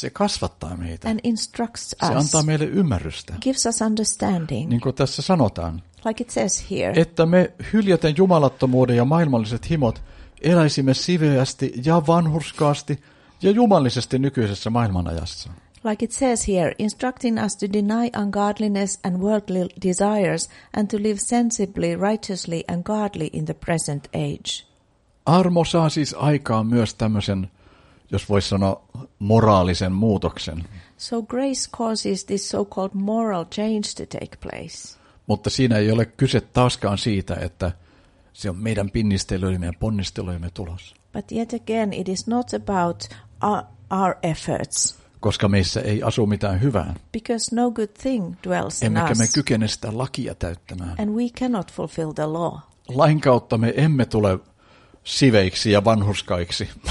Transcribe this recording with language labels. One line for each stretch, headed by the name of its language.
Finnish: Se kasvattaa meitä.
English: And instructs us.
Finnish: Se antaa meille ymmärrystä.
English: Gives us understanding.
Finnish: Niin kuin tässä sanotaan.
English: Like it says here.
Finnish: Että me hyljäten jumalattomuuden ja maailmalliset himot eläisimme siveästi ja vanhurskaasti ja jumallisesti nykyisessä maailmanajassa.
English: Like it says here, instructing us to deny ungodliness and worldly desires and to live sensibly, righteously and godly in the present age.
Finnish: Armo saa siis aikaan myös tämmöisen, jos voisi sanoa, moraalisen muutoksen.
English: So grace causes this so-called moral change to take place.
Finnish: Mutta siinä ei ole kyse taaskaan siitä, että se on meidän pinnistelyjemme ja ponnistelujemme tulos.
English: But yet again, it is not about our efforts.
Finnish: Koska meissä ei asu mitään hyvää.
English: Because no good thing dwells in us.
Finnish: Emmekä me kykene sitä lakia täyttämään.
English: And we cannot fulfill the law.
Finnish: Lain kautta me emme tule siveiksi ja vanhurskaiksi.